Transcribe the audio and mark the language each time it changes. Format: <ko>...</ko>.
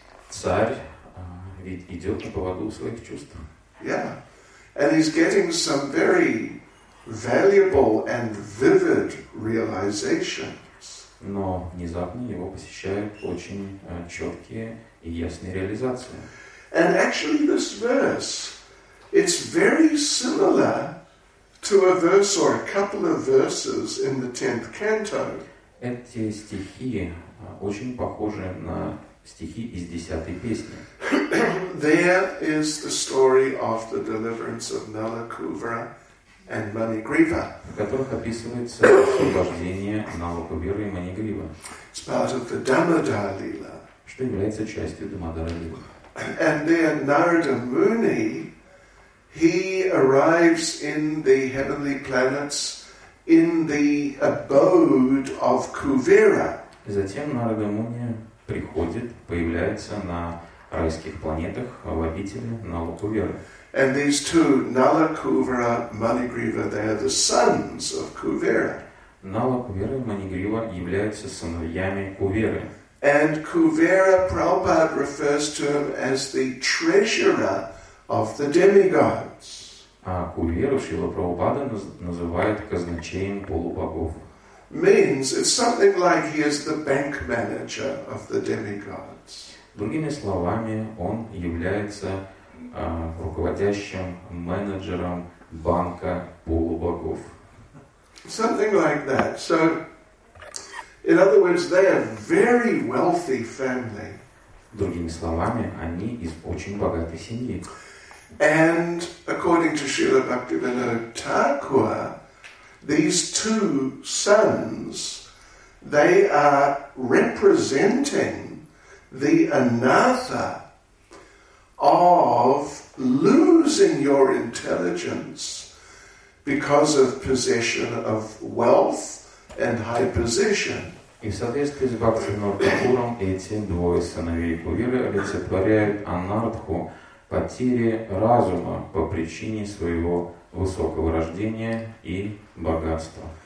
<ru>Царь идет на поводу своих чувств.</ru> <en>Yeah, and he's getting some very valuable and vivid realizations.</en> <ru>Но внезапно его посещают очень четкие и ясные реализации.</ru> <en>And actually, this verse, it's very similar to a verse or a couple of verses in the 10th canto.</en> <ru>Эти стихи очень похожи на стихи из 10-й песни.</ru> <en>There is the story of the deliverance of Nalakuvra and Manigriva.</en> <ru>В которых описывается освобождение Налакувры и Манигривы.</ru> <en>It's part of the Damodara Lila.</en> <ru>Что является частью Дамодара Лилы.</ru> <en>And then Narada Muni, he arrives in the heavenly planets in the abode of Kuvera.</en> <ru>Затем Нарада Муни приходит, появляется на райских планетах в обители Налакуверы.</ru> <en>And these two, Nalakuvra, Manigriva, they are the sons of Kuvera.</en> <ru>Налакувера и Манигрива являются сыновьями Куверы.</ru> <en>And Kuvera, Prabhupada refers to him as the treasurer of the demigods.</en> <ru>А Кувера Шрила Прабхупада называет казначеем полубогов.</ru> <en>Means it's something like he is the bank manager of the demigods.</en> <ru>Другими словами, он является руководящим менеджером банка полубогов.</ru> <en>Something like that. So, in other words, they are very wealthy family.</en> <ru>Другими словами, они из очень богатой семьи.</ru> <en>And according to Srila Bhaktivinoda Thakur, these two sons, they are representing the anatha of losing your intelligence because of possession of wealth and high position.</en> <ru>И в соответствии с Бхакти Нартхапуром эти двое сыновей Кувиры олицетворяют анардху, потери разума по причине своего высокого рождения и богатства.</ru>